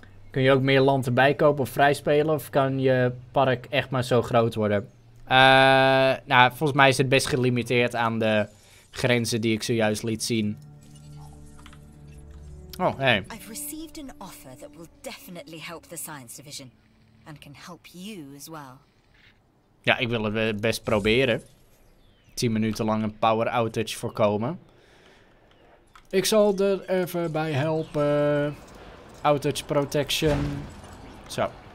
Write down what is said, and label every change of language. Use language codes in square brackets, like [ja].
[nl] Kun je ook meer land erbij kopen of vrijspelen? Of kan je park echt maar zo groot worden? Nou, volgens mij is het best gelimiteerd aan de grenzen die ik zojuist liet zien. [en] Oh, hey. I've received an offer that will definitely help the science division and can help you as well. [nl] Ja, ik wil het best proberen. 10 minuten lang een power outage voorkomen. Ik zal er even bij helpen. [en] Outage protection. [nl] Zo.